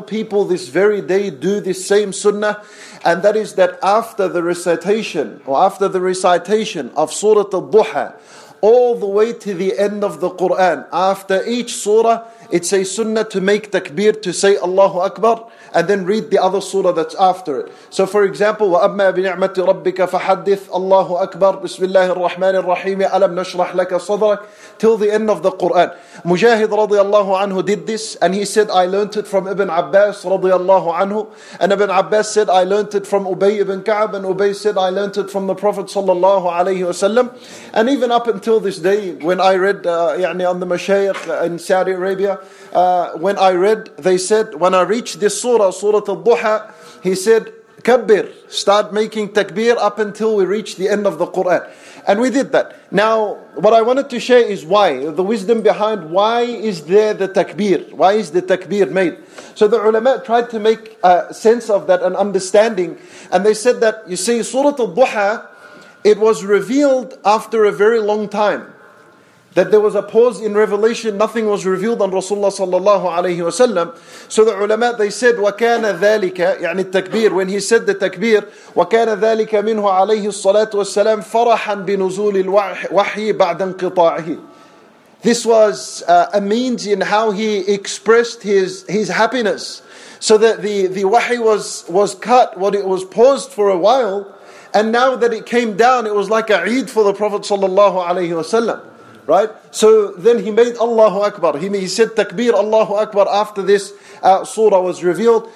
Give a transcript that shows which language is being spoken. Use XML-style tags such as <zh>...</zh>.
<en>People this very day do this same sunnah, and that is that after the recitation, or after the recitation of Surah Al-Duha, all the way to the end of the Quran, after each surah, it's a sunnah to make takbir, to say Allahu Akbar, and then read the other surah that's after it. So for example,</en> <ar>وَأَمَّا بِنِعْمَةِ رَبِّكَ فَحَدِّثْ, Allahu Akbar, بِسْمِ اللَّهِ الرَّحْمَنِ الرَّحِيمِ, أَلَمْ نَشْرَحْ لَكَ صَدْرَكَ,</ar> <en>till the end of the Qur'an. Mujahid radiallahu anhu did this, and he said, I learnt it from Ibn Abbas radiallahu anhu. And Ibn Abbas said, I learnt it from Ubay ibn Ka'b, and Ubay said, I learnt it from the Prophet sallallahu alayhi wasallam. And even up until this day, when I read on the Mashayikh in Saudi Arabia, when I read, they said, when I reached this surah, Surah Al-Duha, he said, Kabbir, start making takbir up until we reach the end of the Qur'an. And we did that. Now, what I wanted to share is why, the wisdom behind why is there the takbir? Why is the takbir made? So the ulama tried to make a sense of that, an understanding. And they said that, you see, Surah Al-Duha, it was revealed after a very long time. That there was a pause in revelation, nothing was revealed on Rasulullah sallallahu alayhi wasallam. So the ulama, they said,</en> <ar>وَكَانَ ذَلِكَ, يعني التكبير,</ar> <en>when he said the takbir,</en> <ar>وَكَانَ ذَلِكَ مِنْهُ عَلَيْهِ الصَّلَاةُ وَالسَّلَامُ فَرَحًا بِنُزُولِ الْوَحْيِ بَعْدَ انْقِطَاعِهِ.</ar> <en>This was a means in how he expressed his happiness. So that the wahi was cut, what it was paused for a while, and now that it came down, it was like a Eid for the Prophet sallallahu alayhi wasallam. Right? So then he made Allahu Akbar. He said takbir Allahu Akbar after this surah was revealed.</en>